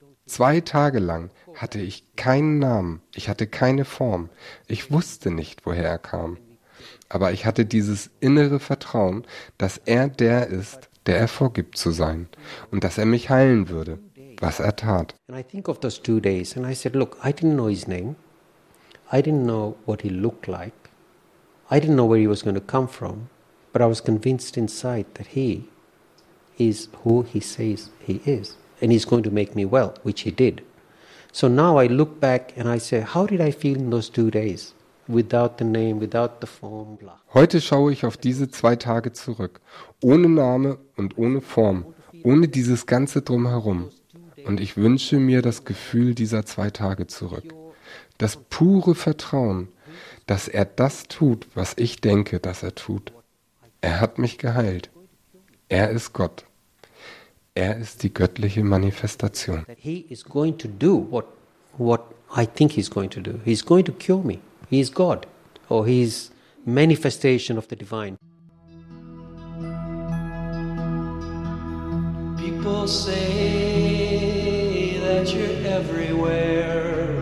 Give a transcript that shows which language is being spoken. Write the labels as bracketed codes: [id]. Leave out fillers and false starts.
[de] 2 Tage lang hatte ich keinen Namen, ich hatte keine Form, ich wusste nicht, woher er kam. Aber ich hatte dieses innere Vertrauen, dass er der ist, der er vorgibt zu sein und dass er mich heilen würde, was er tat. [en] And I think of those 2 days and I said, look, I didn't know his name. I didn't know what he looked like. I didn't know where he was going to come from, but I was convinced inside that he is who he says he is and he's going to make me well, which he did. So now I look back and I say, how did I feel in those 2 days? Without the name, without the form, blah. [de] Heute schaue ich auf diese 2 Tage zurück, ohne Name und ohne Form, ohne dieses ganze Drumherum. Und ich wünsche mir das Gefühl dieser 2 Tage zurück. Das pure Vertrauen, dass er das tut, was ich denke, dass er tut. Er hat mich geheilt. Er ist Gott. Er ist die göttliche Manifestation. [en] He is going to do what I think he's going to do. He's going to cure me. He is God, or he is manifestation of the divine. People say that you're everywhere.